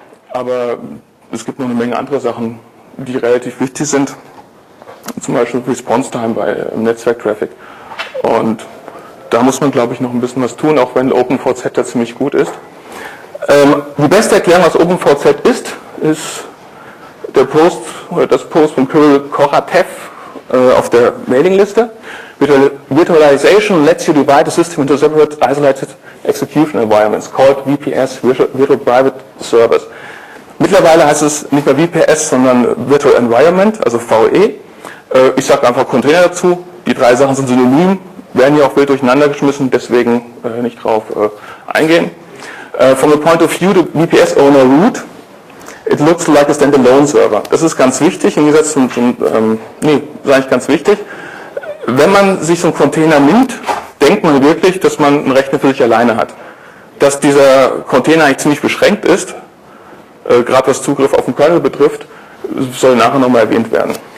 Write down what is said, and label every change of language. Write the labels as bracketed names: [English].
[German] Aber es gibt noch eine Menge andere Sachen, die relativ wichtig sind, zum Beispiel Response Time bei Netzwerktraffic. Und da muss man, glaube ich, noch ein bisschen was tun, auch wenn OpenVZ da ziemlich gut ist. Die beste Erklärung, was OpenVZ ist, ist der Post oder das Post von Kirill Koratev auf der Mailingliste. [English] Virtualization lets you divide the system into separate isolated execution environments called VPS, Virtual Private Servers. [German] Mittlerweile heißt es nicht mehr VPS, sondern Virtual Environment, also VE. Ich sage einfach Container dazu. Die drei Sachen sind synonym, werden ja auch wild durcheinander geschmissen, deswegen nicht drauf eingehen. [English] From the point of view, the VPS owner root, it looks like a standalone server. [German] Das ist ganz wichtig, im Gegensatz Wenn man sich so einen Container nimmt, denkt man wirklich, dass man einen Rechner für sich alleine hat. Dass dieser Container eigentlich ziemlich beschränkt ist, gerade was Zugriff auf den Kernel betrifft, soll nachher nochmal erwähnt werden.